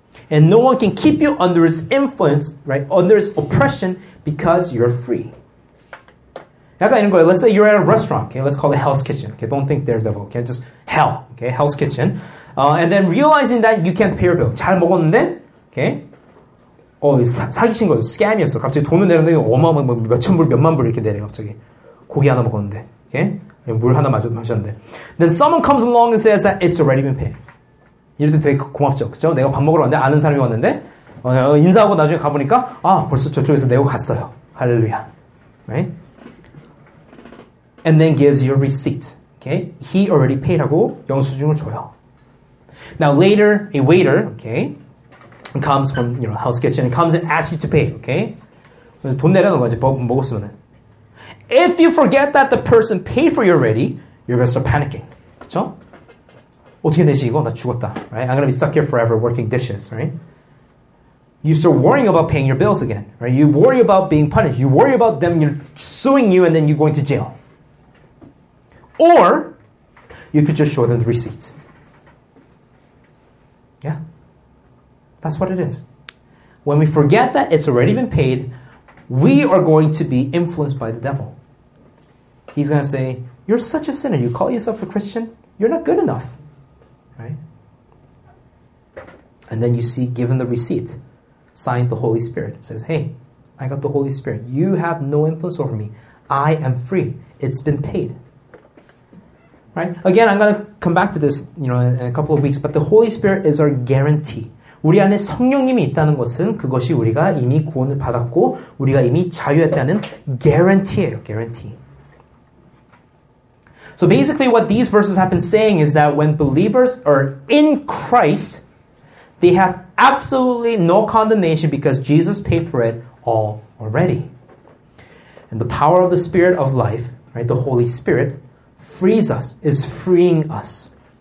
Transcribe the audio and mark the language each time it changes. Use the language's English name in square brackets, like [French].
[English] And no one can keep you under His influence, right? Under His oppression, because you're free. [Korean] 약간 이런 거예요. [English] Let's say you're at a restaurant. Okay? Let's call it Hell's Kitchen. Okay? Don't think Daredevil. Okay? Just Hell. Okay? Hell's Kitchen. And then realizing that you can't pay your bill. [Korean] 잘 먹었는데, okay? 어, 사기친 거죠. Scam이었어. 갑자기 돈을 내는데 어마어마한 몇천 불, 몇만 불 이렇게 내려요. 갑자기. 고기 하나 먹었는데. Okay? 물 하나 마셨는데. [English] Then someone comes along and says that it's already been paid. [Korean] 이럴 때 되게 고맙죠. 그죠? 내가 밥 먹으러 왔는데 아는 사람이 왔는데 인사하고 나중에 가보니까 아, 벌써 저쪽에서 내고 갔어요. 할렐루야. Right? And then gives you a receipt. Okay? He already paid 하고 영수증을 줘요. [English] Now later, a waiter, okay, comes from, you know, house kitchen and comes and asks you to pay. Okay? [Korean] 돈 내려는 거지, 먹었으면은. [English] If you forget that the person paid for you already, you're going to start panicking. [Korean] 그쵸? 어떻게 내지 이거? 나 죽었다. [English] Right? I'm going to be stuck here forever working dishes. Right? You start worrying about paying your bills again. Right? You worry about being punished. You worry about them suing you and then you going to jail. Or, you could just show them the receipt. Yeah. That's what it is. When we forget that it's already been paid, we are going to be influenced by the devil. He's going to say, you're such a sinner. You call yourself a Christian. You're not good enough. Right? And then you see, given the receipt, signed the Holy Spirit. It says, hey, I got the Holy Spirit. You have no influence over me. I am free. It's been paid. Right? Again, I'm going to come back to this, you know, in a couple of weeks, but the Holy Spirit is our guarantee. [Korean] 우리 안에 성령님이 있다는 것은 그것이 우리가 이미 구원을 받았고 우리가 이미 자유했다는 guarantee예요. [English] Guarantee. So basically what these verses have been saying is that when believers are in Christ, they have absolutely no condemnation because Jesus paid for it all already. And the power of the Spirit of life, right, the Holy Spirit, frees us, is freeing us.